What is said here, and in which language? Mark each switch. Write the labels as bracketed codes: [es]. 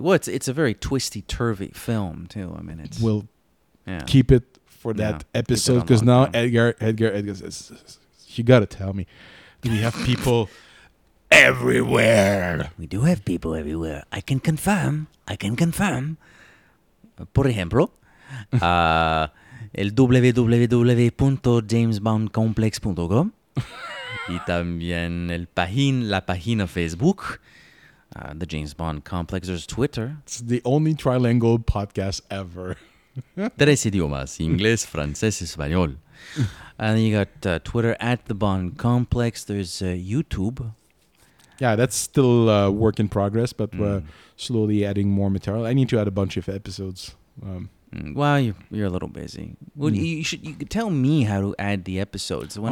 [en] Well, it's a very twisty-turvy film, too. I mean, it's... We'll keep it for that episode, because now Edgar says... You got to tell me. Do we have people everywhere? We do have people everywhere. I can confirm. [es] Por ejemplo, el www.jamesbondcomplex.com y también la página Facebook, the James Bond Complex. [en] There's Twitter. It's the only trilingual podcast ever. [es] Tres idiomas, inglés, francés, español. [en] And then you got Twitter at the Bond Complex. There's YouTube. Yeah, that's still a work in progress, but we're slowly adding more material. I need to add a bunch of episodes. Well, you're a little busy. Well, you could tell me how to add the episodes.